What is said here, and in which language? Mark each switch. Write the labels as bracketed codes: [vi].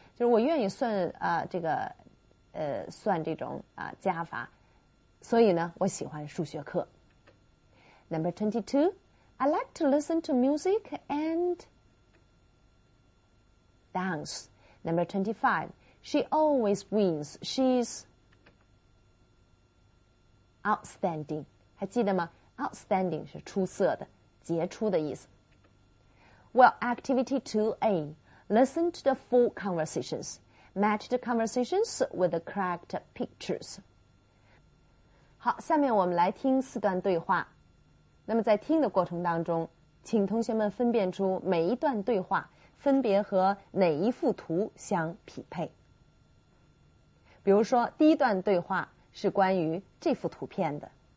[zh] 就是我愿意算、这个算这种、加法。所以呢我喜欢数学课。 [en] Number 22, I like to listen to music and dance. Number 25, she always wins. She's outstanding. [zh] 还记得吗 ?Outstanding 是出色的、杰出的意思。 [en] Well, activity 2A, listen to the four conversations. Match the conversations with the correct pictures. [zh] 好，下面我们来听四段对话。那么在听的过程当中，请同学们分辨出每一段对话分别和哪一幅图相匹配。比如说，第一段对话是关于这幅图片的。